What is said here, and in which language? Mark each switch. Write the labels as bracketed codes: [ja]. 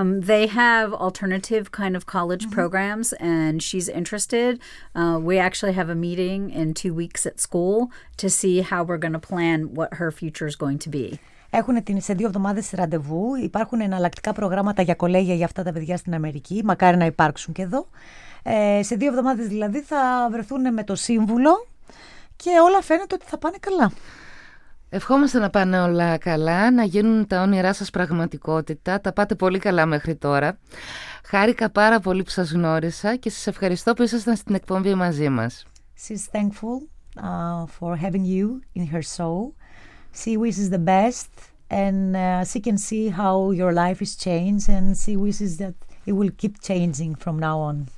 [en] They have alternative kind of college mm-hmm. programs, and she's interested. We actually have a meeting in 2 weeks at school to see how we're going to plan what her future is going to be. [el] Έχουν σε 2 εβδομάδες ραντεβού. Υπάρχουν εναλλακτικά προγράμματα για κολέγια για αυτά τα παιδιά στην Αμερική. Μακάρι να υπάρξουν και εδώ. Σε 2 εβδομάδες δηλαδή θα βρεθούν με το σύμβουλο και όλα φαίνεται ότι θα πάνε καλά. Ευχόμαστε να πάνε όλα καλά, να γίνουν τα όνειρά σας πραγματικότητα. Τα πάτε πολύ καλά μέχρι τώρα. Χάρηκα πάρα πολύ που σας γνώρισα και σας ευχαριστώ που ήσασταν στην εκπομπή μαζί μας. [en] She's thankful for having you in her show. She wishes the best and she can see how your life is changed and she wishes that it will keep changing from now on.